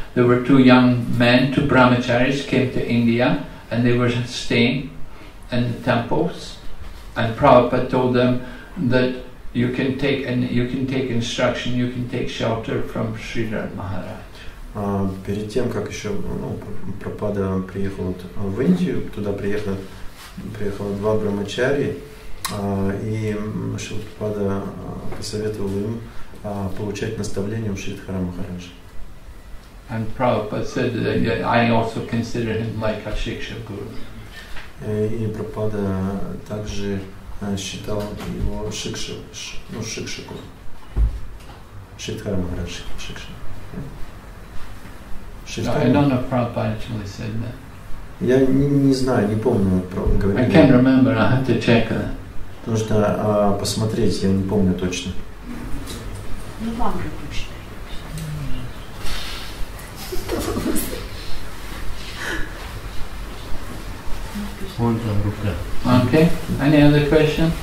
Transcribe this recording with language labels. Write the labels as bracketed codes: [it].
[en] There were two young men, two brahmacharis, came to India and they were staying in the temples. And Prabhupada told them that you can take instruction, you can take shelter from Sridhar Maharaj. [ru] Перед тем, как еще Прабхупада приехал в Индию, туда приехало два брахмачари. И Шрила Прабхупада посоветовал им получать наставление у Шридхара Махараджа. [en] And Prabhupada said that I also consider him like a Shiksha Guru. [ru] И Прабхупада также считал его Шикша Гуру. Шридхара Махараджа Шикша. [en] No, I don't know if Prabhupada actually said that. [ru] Я не знаю, не помню, говорил. [en] I can't remember, I have to check that. [ru] Потому что посмотреть, я не помню точно. Ну, вам же почитай. Вон там рука. [en] Окей. Any other question?